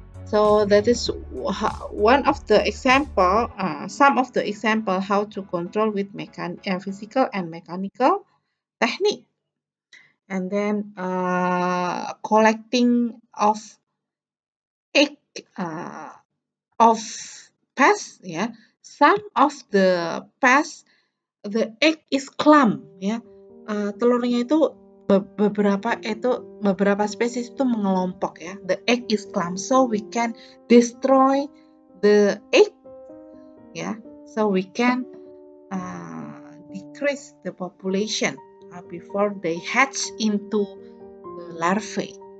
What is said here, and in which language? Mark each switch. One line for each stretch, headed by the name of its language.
English: So that is one of the example, some of the example how to control with physical and mechanical technique. And then collecting of egg of pests. Yeah, some of the pests, the egg is clump.
Indonesian: Yeah, telurnya itu beberapa spesies itu mengelompok ya.
English: The egg is clump, so we can destroy the egg. Yeah, so we can decrease the population before they hatch into the larvae.